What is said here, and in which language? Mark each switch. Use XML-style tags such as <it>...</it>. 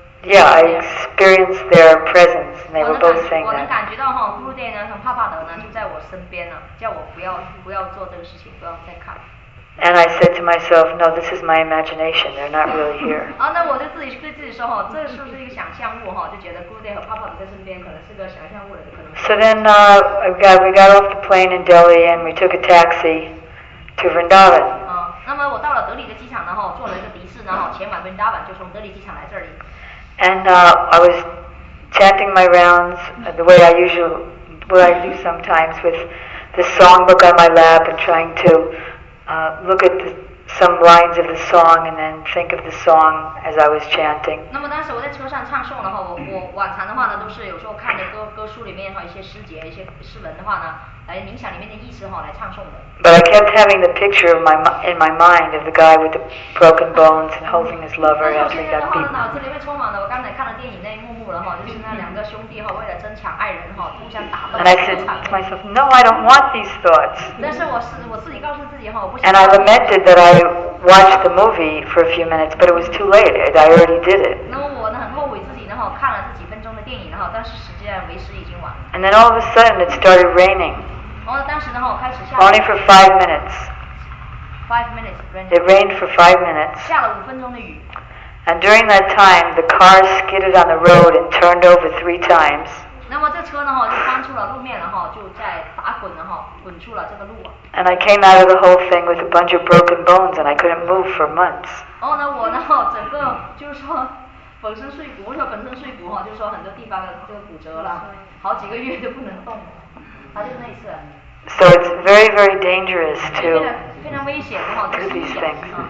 <en>Yeah, I experienced their presence, and they were both saying that.</en> <zh>我能感觉到哈，布鲁德呢和帕帕德呢就在我身边呢，叫我不要做这个事情，不要再看。</zh> <en>And I said to myself, "No, this is my imagination. They're not really here."</en> <zh>啊，那我就自己对自己说哈，这是不是一个想象物哈？就觉得布鲁德和帕帕德在身边可能是个想象物的可能。</zh> <en>So then, we got off the plane in Delhi, and we took a taxi to Vrindavan.</en> <zh>啊，那么我到了德里的机场呢哈，坐了一个的士呢哈，前往 Vrindavan， 就从德里机场来这里。</zh> <en>And I was chanting my rounds the way I usually, what I do sometimes, with the song book on my lap and trying to look at some lines of the song and then think of the song as I was chanting.</en> <zh>那么当时我在车上唱诵的话，我往常的话呢，都是有时候看着歌书里面哈一些诗节、一些诗文的话呢，来冥想里面的意思哈来唱诵的。</zh> <en>But I kept having the picture in my mind of the guy with the broken bones and holding his lover after he got beaten.</en> <zh>那现在的话呢，脑子里面充满了我刚才看了电影那一幕幕了哈，就是那两个兄弟哈为了争抢爱人哈互相打斗。</zh> <en>And I said to myself, "No, I don't want these thoughts."</en> <zh>但是我自己告诉自己哈，我不想。</zh> <en>And I lamented that I watched the movie for a few minutes, but it was too late. I already did it.</en> <zh>那我呢很后悔自己呢哈看了这几分钟的电影哈，但是实际上为时已经晚了。</zh> <en>And then all of a sudden it started raining. Only for 5 minutes. 5 minutes rain. It rained for 5 minutes.</en> <zh>下了五分钟的雨。</zh> <en>And during that time, the car skidded on the road and turned over 3 times.</en> <zh>那么这车呢哈就翻出了路面了哈，就在打滚了哈，滚出了这个路。</zh> <en>And I came out of the whole thing with a bunch of broken bones, and I couldn't move for months.</en> <zh>哦，那我呢哈，整个就是说。本身碎骨，我说本身碎骨哈，就说很多地方的这个骨折了，好几个月都不能动了，他就那一次。</zh> <en>So it's very, very dangerous to do these things.</en>